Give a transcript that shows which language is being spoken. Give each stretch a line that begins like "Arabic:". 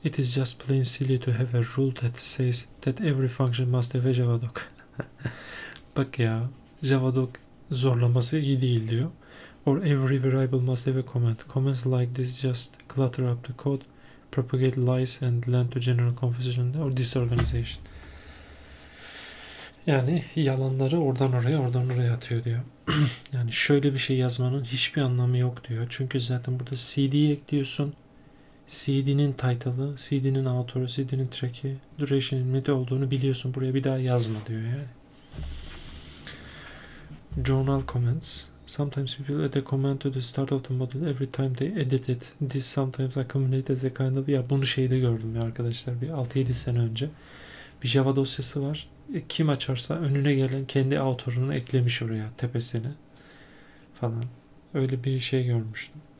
English: It is just plain silly to have a rule that says that every function must have a javadoc.
Turkish: Bak ya, javadoc zorlaması iyi değil diyor.
English: Or every variable must have a comment. Comments like this just clutter up the code, propagate lies and lend to general confusion or disorganization.
Turkish: Yani yalanları oradan oraya, oradan oraya atıyor diyor. Yani şöyle bir şey yazmanın hiçbir anlamı yok diyor. Çünkü zaten burada CD'yi ekliyorsun. CD'nin title'ı, CD'nin author'ı, CD'nin track'i, duration'in midi olduğunu biliyorsun. Buraya bir daha yazma diyor yani.
English: Journal comments. Sometimes people add a comment to the start of the model every time they edit it. This sometimes accumulates as a kind of...
Turkish: Ya bunu şeyde gördüm ya arkadaşlar, bir 6-7 sene önce. Bir Java dosyası var. Kim açarsa önüne gelen kendi autorunu eklemiş oraya, tepesine falan. Öyle bir şey görmüştüm.